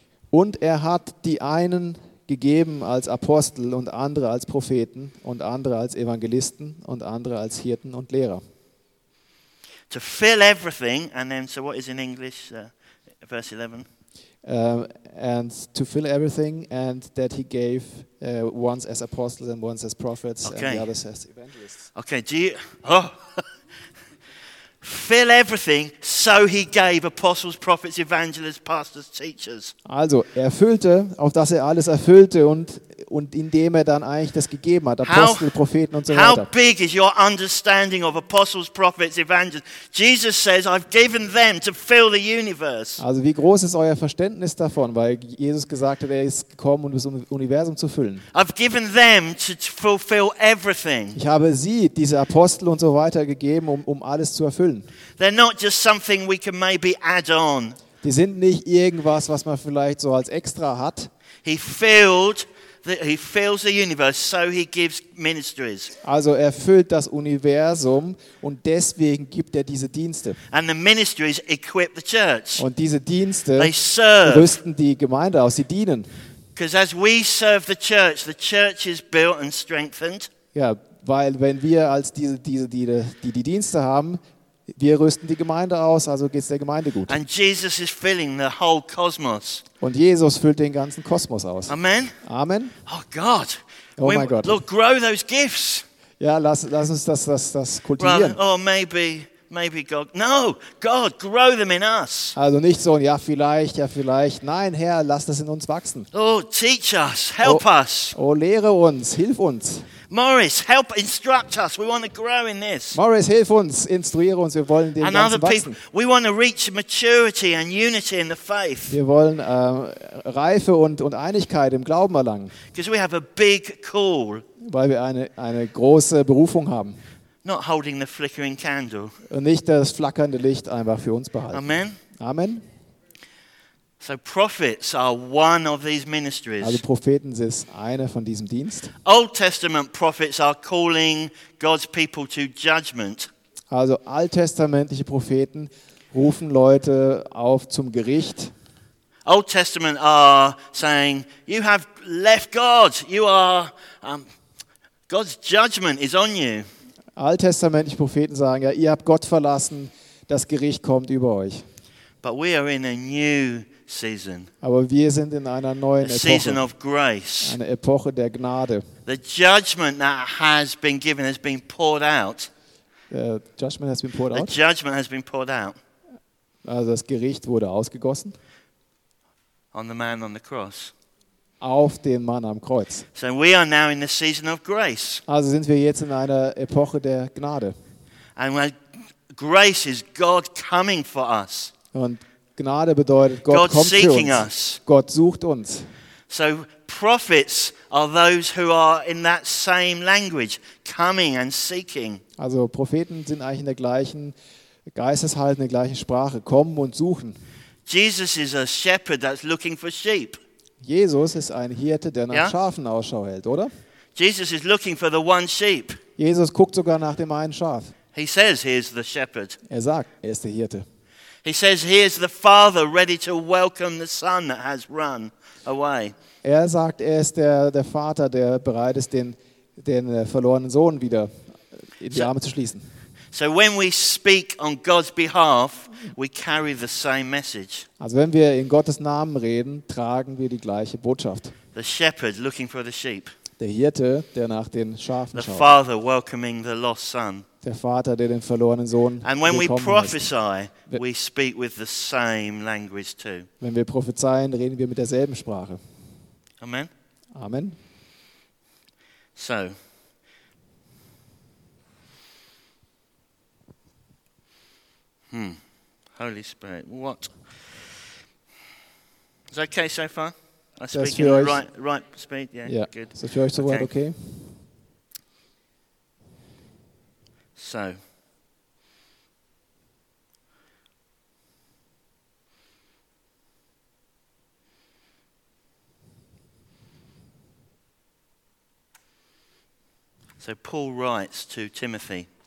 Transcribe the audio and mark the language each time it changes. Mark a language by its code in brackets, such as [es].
[de] Und er hat die einen gegeben als Apostel und andere als Propheten und andere als Evangelisten und andere als Hirten und Lehrer. [en] To fill everything, and then, so what is in English, verse 11? And to fill everything, and that he gave once as apostles and once as prophets, okay. And the others as evangelists. Okay, fill everything, so he gave apostles, prophets, evangelists, pastors, teachers. [de] Also, erfüllte, auf dass alles erfüllte und indem dann eigentlich das gegeben hat, Apostel, Propheten und so weiter. [en] How big is your understanding of apostles, prophets, evangelists? Jesus says, I've given them to fill the universe. [de] Also wie groß ist euer Verständnis davon, weil Jesus gesagt hat, er ist gekommen, um das Universum zu füllen. [en] I've given them to fulfill everything. [de] Ich habe sie, diese Apostel und so weiter, gegeben, um alles zu erfüllen. [en] They're not just something we can maybe add on. [de] Die sind nicht irgendwas, was man vielleicht so als extra hat. [en] He fills the universe, so he gives ministries. [de] Also erfüllt das Universum und deswegen gibt diese Dienste. [en] And the ministries equip the church. [de] Und diese Dienste, [en] they serve. [de] Rüsten die Gemeinde aus, sie dienen. [en] Because as we serve the church is built and strengthened. [de] Ja, weil wenn wir als diese die Dienste haben, Wir rüsten die Gemeinde aus, also geht's der Gemeinde gut. [en] And Jesus is filling the whole cosmos. [de] Und Jesus füllt den ganzen Kosmos aus. [en] Amen. [de] Amen. [en] Oh God. [de] Oh mein Gott. [en] Look, grow those gifts. [de] Ja, lass uns das kultivieren. [en] Well, oh, maybe God. No, God, grow them in us. [de] Also nicht so, ja vielleicht. Nein, Herr, lass das in uns wachsen. [en] Oh, teach us, help us. [de] Oh, lehre uns, hilf uns. [en] Morris, help instruct us. We want to grow in this. [de] Morris, hilf uns, instruiere uns. Wir wollen den Ganzen wachsen. [en] We want to reach maturity and unity in the faith. [de] Wir wollen Reife und Einigkeit im Glauben erlangen. [en] Because we have a big call. [de] Weil wir eine große Berufung haben. [en] Not holding the flickering candle. [de] Und nicht das flackernde Licht einfach für uns behalten. [en] Amen. [de] Amen. [en] So prophets are one of these ministries. [de] Also Propheten sind eine von diesem Dienst. [en] Old Testament prophets are calling God's people to judgment. [de] Also alttestamentliche Propheten rufen Leute auf zum Gericht. [en] Old Testament are saying, you have left God. You are God's judgment is on you. [de] Alttestamentliche Propheten sagen, ja, ihr habt Gott verlassen, das Gericht kommt über euch. [en] But we are in a new season. [de] Aber wir sind in einer neuen Epoche. [en] Season of grace. [de] Eine Epoche der Gnade. [en] The judgment that has been given has been poured out. The judgment has been poured out. The judgment has been poured out. [de] Also das Gericht wurde ausgegossen. [en] On the man on the cross. [de] Auf den Mann am Kreuz. [en] So we are now in the season of grace. [de] Also sind wir jetzt in einer Epoche der Gnade. [en] And when grace is God coming for us. [de] Und Gnade bedeutet, Gott kommt für uns. Gott sucht uns. [en] So prophets are those who are in that same language, coming and seeking. [de] Also Propheten sind eigentlich in der gleichen Geisteshaltung, in der gleichen Sprache, kommen und suchen. [en] Jesus is a shepherd that's looking for sheep. [de] Jesus ist ein Hirte, der nach Schafen Ausschau hält, oder? [en] Jesus is looking for the one sheep. [de] Jesus guckt sogar nach dem einen Schaf. [en] He says he is the shepherd. [de] Er sagt, er ist der Hirte. [en] He says, "Here's the Father ready to welcome the Son that has run away." [de] Er sagt, er ist der Vater, der bereit ist, den verlorenen Sohn wieder in die Arme zu schließen. [en] So when we speak on God's behalf, we carry the same message. [de] Also wenn wir in Gottes Namen reden, tragen wir die gleiche Botschaft. [en] The shepherd looking for the sheep. [de] Der Hirte, der nach den Schafen schaut. [en] The father welcoming the lost son. [de] Der Vater, der den verlorenen Sohn willkommen heißt. Wenn wir prophezeien, reden wir mit derselben Sprache. [en] Amen. [de] Amen. [en] So. Holy Spirit, what? Is that okay so far? I speak in the right speed? Yeah, good. [de] Ist das für euch soweit okay? [en] So, Paul writes to Timothy.